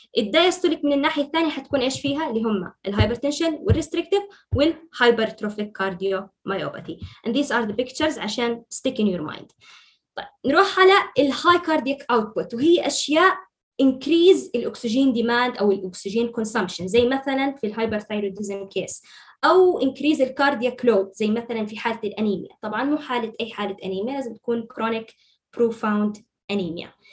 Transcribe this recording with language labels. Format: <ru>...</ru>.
<ar>الدايستوليك من الناحية الثانية حتكون إيش فيها؟ اللي هما الهايبرتنشن والريستريكتيف والهايبرتروفيك كارديومايوباثي.</ar> <en>And these are the pictures عشان stick in your mind.</en> <ar>طيب نروح على الهاي كاردييك أوتبوت وهي أشياء increase الأكسجين ديماند أو الأكسجين كونسومشن زي مثلا في الهايبرثايرويديزم كيس أو increase الكاردييك لود زي مثلا في حالة الأنيميا. طبعا مو حالة أي حالة أنيميا لازم تكون كرونيك بروفاوند أنيميا.</ar>